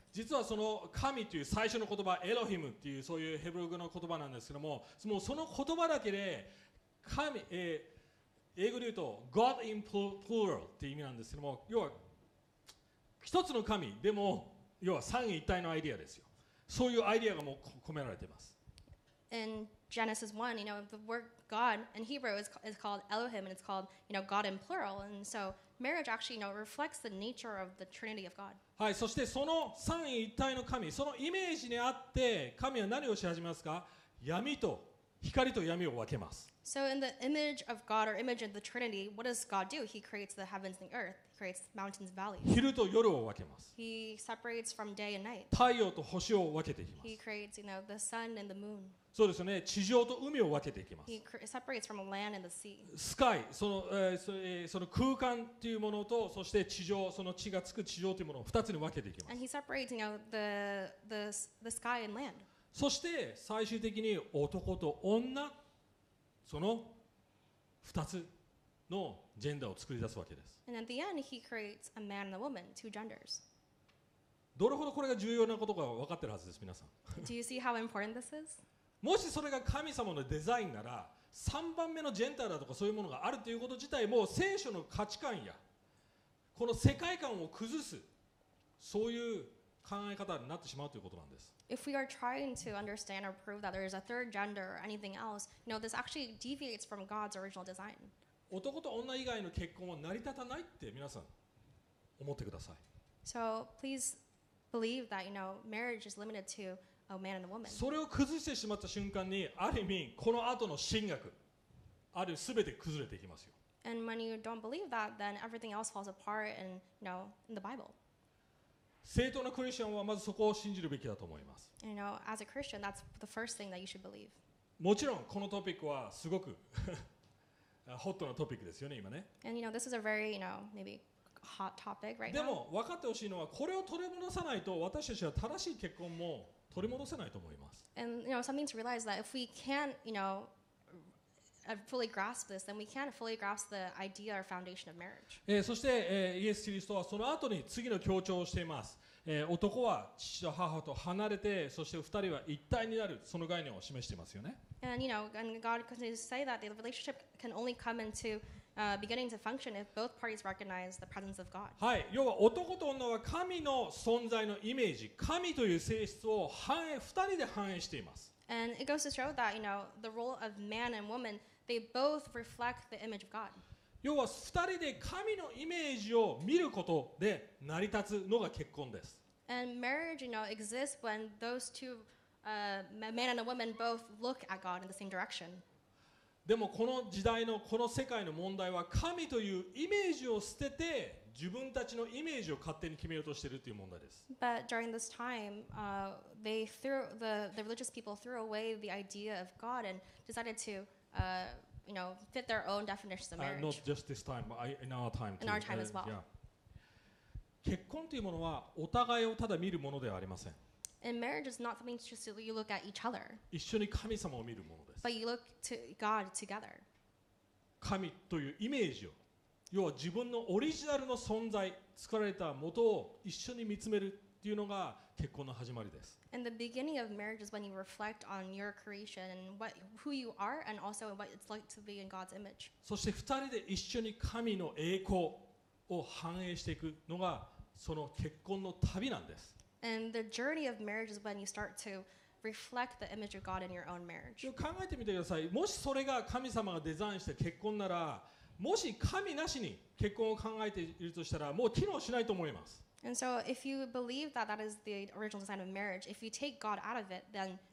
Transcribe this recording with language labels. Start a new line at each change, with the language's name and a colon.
Japanese: 実はその神という最初の言葉、エロヒムっていうそういうヘブル語の言葉なんですけども、もうその言葉だけで神、英語で言うと
English: God in plural
Japanese: っていう意味なんですけども、要は一つの神でも要は三位一体のアイデアですよ。そういうアイデアがもう込められています。
English: In Genesis 1, you know the word God in Hebrew is called Elohim, and it's called you know God in plural, and so Marriage actually, you know, reflects the nature of the Trinity of God.
Japanese: はい、そしてその三位一体の神、そのイメージにあって、神は何をし始めますか？闇と光と闇を分けます。
English: So in the image of God or image of the Trinity, what does God do? He creates the heavens and the earth. He creates mountains and valleys.
Japanese: 昼と夜を分けます。
English: He separates from day and night.
Japanese: 太陽と星を分けていきます。
English: He creates, you know, the sun and the moon.
Japanese: そうですね、地上と海を分けていきます。
English: He separates from land and the sea.
Japanese: スカイ、その空間というものと、そして地上、その地がつく地上というものを2つに分けていきます。
English: And he separates, you know, the sky and land.
Japanese: そして最終的に男と女、その2つのジェンダーを作り出すわけです。
English: And at the end, he creates a man and a woman, two genders.
Japanese: どれほどこれが重要なことか分かってるはずです、皆さん。
English: Do you see how important this is?
Japanese: もしそれが神様のデザインなら、3番目のジェンダーだとかそういうものがあるということ自体、もう聖書の価値観や、この世界観を崩す、そういう考え方になってしまうということなんです。
English: If we are trying to understand or prove that there is a third gender or anything else, you know, this actually deviates from God's original design.
Japanese: 男と女以外の結婚は成り立たないって皆さん、思ってください。
English: So please believe that, you know, marriage is limited to. A man and a woman.
Japanese: それを崩してしまった瞬間に、ある意味この後の神学、あるいは全て崩れていきますよ。
English: And when you don't believe that, then everything else falls apart, and you know, in the Bible.
Japanese: 正当なクリスチャンはまずそこを信じるべきだと思います。
English: And you know, as a Christian, that's the first thing that you should believe.
Japanese: もちろんこのトピックはすごくホットなトピックですよね、今ね。
English: And you know, this is a very, you know, maybe. Hot topic right now.
Japanese: でも分かってほしいのは、これを取り戻さないと私たちは正しい結婚も取り戻せないと思います。
English: And you know, something to realize that if we can't, you know, fully grasp this, then we can't fully grasp the idea or foundation of marriage.
Japanese: そして、イエス・キリストはその後に次の強調をしています。男は父と母と離れて、そして二人は一体になる、その概念を示していますよね。
English: And you know, and God continues to say that the relationship can only come intoBeginning to function if both parties recognize the presence of God.
Japanese: はい、要は男と女は神の存在のイメージ、神という性質を反映、二人で反映しています。
English: And it goes to show that, you know, the role of man and woman, they both reflect the image of God.
Japanese: 要は二人で神のイメージを見ることで成り立つのが結婚です。
English: And marriage, you know, exists when those two, man and a woman both look at God in the same direction. でもこの時代のこの世界の問題は、神というイメージを捨てて自分たちのイメージを勝手に決めようとしているという問題です。 But during this time, they threw the religious people threw away the idea of God and decided to, you know, fit their own definitions of marriage. Not just this time, but in our time too. In our time as well.
Japanese: 結婚というものはお互いをただ見るものではありません。
English: And marriage is not something just you look at each other.
Japanese: 一緒に神様を見るものです。
English: But you look to God together.
Japanese: 神というイメージを、要は自分のオリジナルの存在、作られた元を一緒に見つめるっていうのが結婚の始まりです。
English: And the beginning of marriage is when you reflect on your creation and what, who you are and also what it's like to be in God's image.
Japanese: そして二人で一緒に神の栄光を反映していくのがその結婚の旅なんです。
English: And the journey of marriage is when you start to reflect the image of God in your own marriage.
Japanese: 考えてみてください。もしそれが神様がデザインした結婚なら、もし神なしに結婚を考えているとしたら、もう機能しないと思います。
English: And so if you believe that that is the original design of marriage, if you take God out of it, then